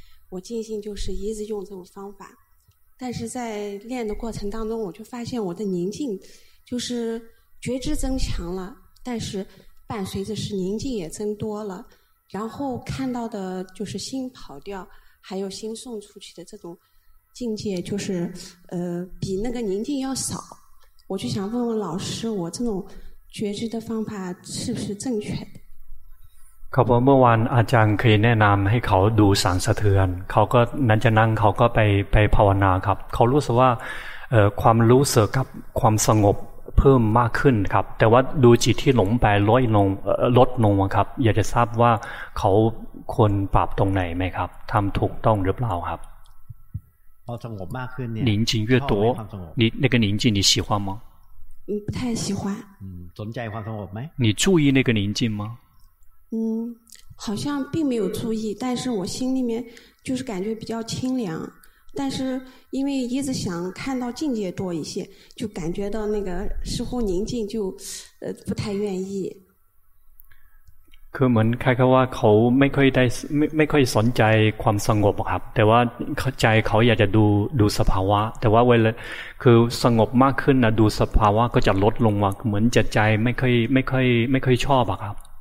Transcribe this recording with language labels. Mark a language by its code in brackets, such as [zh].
[zh] 我静心就是一直用这种方法，但是在练的过程当中，我就发现我的宁静就是觉知增强了，但是伴随着是宁静也增多了，然后看到的就是心跑掉还有心送出去的这种境界，就是比那个宁静要少。我就想问问老师，我这种觉知的方法是不是正确的？ [th] เขาบอกเมื่อวานอาจารย์เคยแนะนำให้เขาดูสั่นสะเทือนเขาก็นั่งจะนั่งเขาก็ไปภาวนาครับเขารู้สึกว่าความรู้สึกกับความสงบเพิ่มมากขึ้นครับแต่ว่าดูจิตที่หลงไปลดลงครับอยากจะทราบว่าเขาควรปรับตรงไหนไหมครับทำถูกต้องหรือเปล่าครับ พอสงบมากขึ้น [zh] เนี่ย宁静越多你那个宁静你喜欢吗嗯不太喜欢嗯 [th] สนใจความสงบไหม [zh] 你注意那个宁静吗好像并没有注意，但是我心里面就是感觉比较清凉，但是因为一直想看到境界多一些，就感觉到那个似乎宁静就不太愿意。 [th] คือเหมือนคล้ายๆว่าเขาไม่ค่อยสนใจความสงบครับแต่ว่าใจเขาอยากจะดูสภาวะแต่ว่าเวลาคือสงบมากขึ้นนะดูสภาวะก็จะลดลงว่าเหมือนจะใจไม่ค่อยชอบครับ